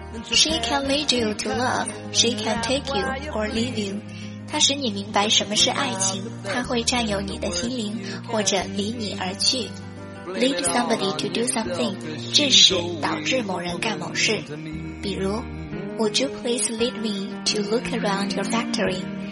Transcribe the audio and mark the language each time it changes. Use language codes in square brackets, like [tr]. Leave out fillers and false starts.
[en] She can lead you to love, she can take you or leave you. [zh] 她使你明白什么是爱情，她会占有你的心灵或者离你而去。 [en] Lead somebody to do something, [zh] 致使导致某人干某事。比如 [en] ,Would you please lead me to look around your factory?